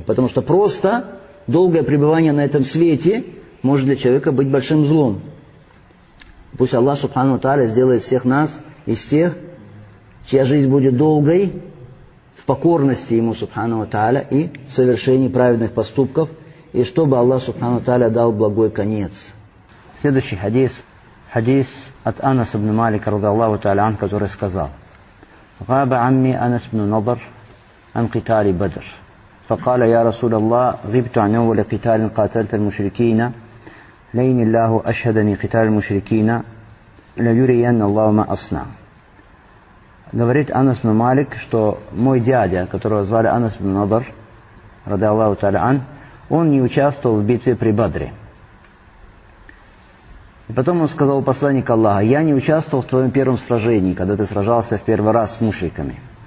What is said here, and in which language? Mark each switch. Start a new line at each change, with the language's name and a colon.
Russian: Потому что просто долгое пребывание на этом свете может для человека быть большим злом. Пусть Аллах субхану тааля сделает всех нас из тех, чья жизнь будет долгой, в покорности Ему субхану тааля и в совершении праведных поступков. И чтобы Аллах субхану тааля дал благой конец. Следующий хадис. Хадис от Анас ибн Малика
Arabic: رضي الله تعالى عنه,
Russian: который сказал:
Arabic: غاب عمي أنس بن نضر عن قتال بدر فقال يا رسول الله غبت عن أول قتال قاتلت المشركين لين الله أشهدني قتال المشركين لا يرين الله ما أصنع.
Russian: Говорит Анас ибн Малик, что мой дядя, которого звали Анас ибн Нодр
Arabic: رضي الله تعالى عنه,
Russian: он не участвовал в битве при Бадре. И потом он сказал посланник Аллаха: «Я не участвовал в твоем первом сражении, когда ты сражался в первый раз с мушриками.